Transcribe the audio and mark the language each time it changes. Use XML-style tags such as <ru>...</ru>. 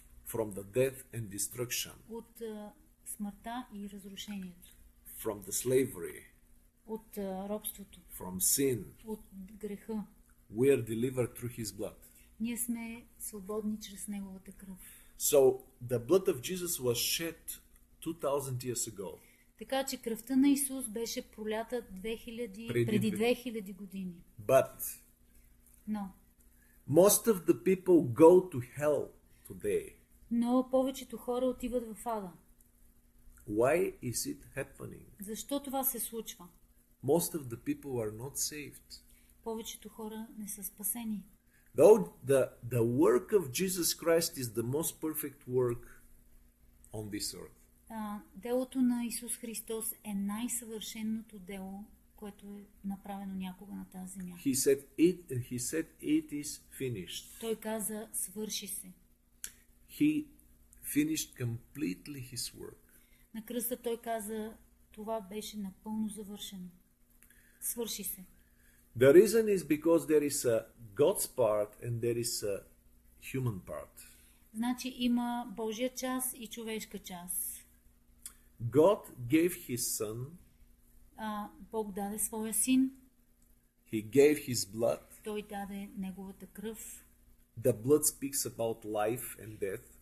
<en>From the death and destruction.</en> <bg>От смъртта и разрушението.</bg> <en>From the slavery.</en> <bg>От робството.</bg> <en>From sin.</en> <bg>От греха.</bg> <en>We are delivered through his blood.</en> <bg>Ние сме свободни чрез неговата кръв.</bg> <en>So the blood of Jesus was shed 2000 years ago.</en> <bg>Така че кръвта на Исус беше пролята 2000 преди 2000 години.</bg> <en>But no. Most of the people go to hell today.</en> <bg>Но повечето хора отиват в ада.</bg> <en>Why is it happening?</en> <bg>Защо това се случва?</bg> <en>Most of the people are not saved.</en> <bg>Повечето хора не са спасени.</bg> <en>The work of Jesus Christ is the most perfect work on this earth.</en> <bg>Делото на Исус Христос е най-съвършеното дело, което е направено някога на тази земя.</bg> <en>He said it is finished.</en> <bg>Той каза, свърши се.</bg> <en>He finished completely his work.</en> <bg>На кръста той каза, това беше напълно завършено. Свърши се.</bg> <en>The reason is because there is a God's part and there is a human part.</en> <bg>Значи има Божия част и човешка част.</bg> <en>God gave his son.</en> <bg>Бог даде своя син.</bg> <en>He gave his blood.</en> <bg>Той даде неговата кръв.</bg> <en>The blood speaks about life and death.</en>